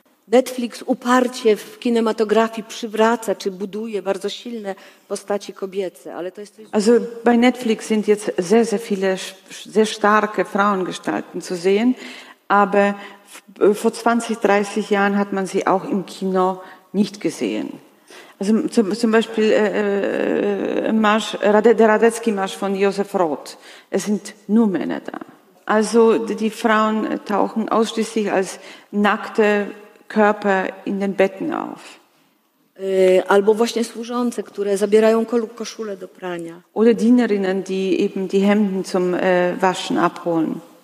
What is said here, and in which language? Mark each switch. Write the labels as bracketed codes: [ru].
[pl] Netflix uparcie w kinematografii przywraca czy buduje bardzo silne postaci kobiece, ale to jest coś... [de] Also bei Netflix sind jetzt sehr, sehr viele sehr starke Frauengestalten zu sehen, aber vor 20, 30 Jahren hat man sie auch im Kino nicht gesehen. Also zum Beispiel Marsch, der Radetzky Marsch von Josef Roth. Es sind nur Männer da. Also die Frauen tauchen ausschließlich als nackte Körper in den Betten auf. [pl] Albo właśnie służące, które zabierają koszulę do prania. [de] Oder Dienerinnen, die eben die Hemden zum Waschen abholen.